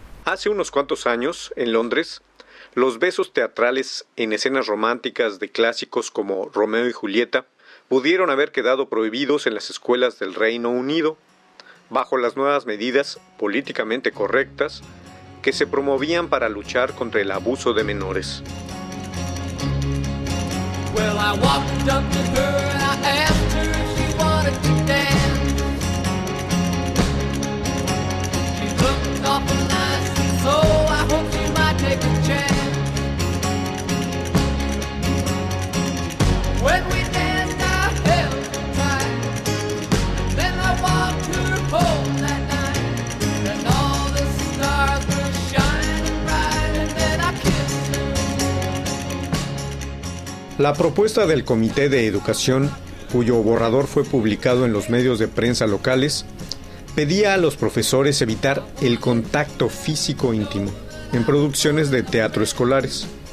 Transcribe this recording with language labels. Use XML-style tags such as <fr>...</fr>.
<es>Hace unos cuantos años, en Londres, los besos teatrales en escenas románticas de clásicos como Romeo y Julieta pudieron haber quedado prohibidos en las escuelas del Reino Unido, bajo las nuevas medidas políticamente correctas que se promovían para luchar contra el abuso de menores.</es> <en>Well, I walked up to her and I asked her if she wanted to dance. She looked awful nice, so I hope she might take a chance. When we danced, I held her tight. Then I walked her home that night. And all the stars were shining bright. And then I kissed her.</en> <es>La propuesta del Comité de Educación, cuyo borrador fue publicado en los medios de prensa locales, pedía a los profesores evitar el contacto físico íntimo en producciones de teatro escolares.</es>